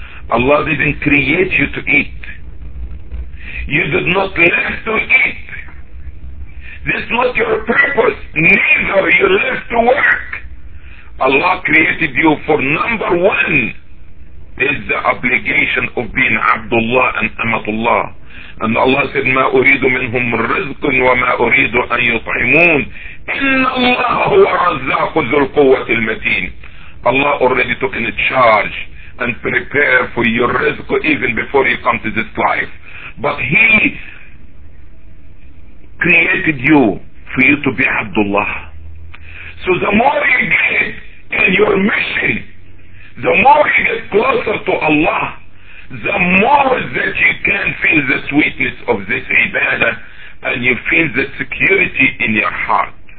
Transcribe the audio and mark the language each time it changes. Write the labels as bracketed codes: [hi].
[en] Allah didn't create you to eat. You did not live to eat. This was your purpose. Neither you live to work. Allah created you for number one is the obligation of being Abdullah and Amatullah. And Allah said, [ar] ما أريد منهم رزق وما أريد أن يطعمون. إن الله هو الرزاق ذو القوة المتين. [en] Allah already took in charge and prepared for your rizq even before you come to this life. But He created you for you to be Abdullah. So the more you get in your mission, the more you get closer to Allah, the more that you can feel the sweetness of this ibadah and you feel the security in your heart.